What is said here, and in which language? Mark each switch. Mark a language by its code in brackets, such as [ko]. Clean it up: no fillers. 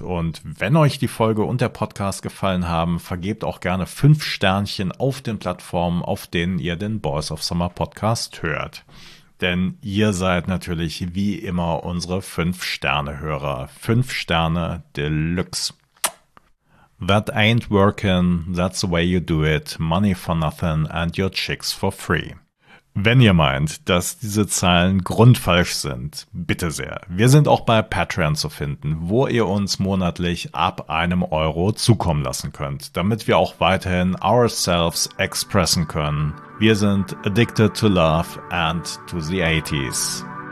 [de] Und wenn euch die Folge und der Podcast gefallen haben, vergebt auch gerne 5 Sternchen auf den Plattformen, auf denen ihr den Boys of Summer Podcast hört. Denn ihr seid natürlich wie immer unsere 5-Sterne-Hörer. 5 Sterne Deluxe. [en] That ain't working, that's the way you do it, money for nothing and your chicks for free. [de] Wenn ihr meint, dass diese Zeilen grundfalsch sind, bitte sehr. Wir sind auch bei Patreon zu finden, wo ihr uns monatlich ab 1 Euro zukommen lassen könnt, damit wir auch weiterhin [en] ourselves [de] expressen können. Wir sind [en] addicted to love and to the 80s.